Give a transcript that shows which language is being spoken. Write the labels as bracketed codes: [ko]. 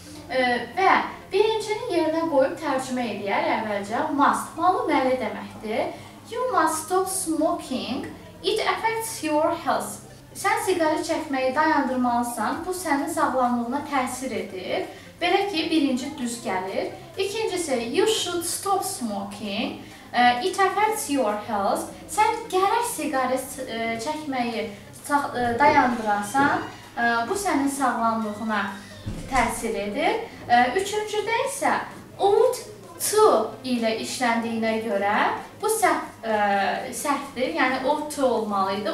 [az] Və birincinin yerinə qoyub tərcümə edəyər əvvəlcə. Must, malı məli deməkdir. [en] You must stop smoking, it affects your health. [az] Sən sigara çəkməyi dayandırmalısan, bu sənin sağlamlığına təsir edir. Belə ki, birinci düz gəlir. İkincisi, [en] you should stop smoking, it affects your health. [az] Sən gərək siqarə çəkməyi dayandırarsan, bu sənin sağlamlığına təsir edir. Üçüncüdə isə, ought to ilə işləndiyinə görə bu səhvdir, yəni ought to olmalıydı.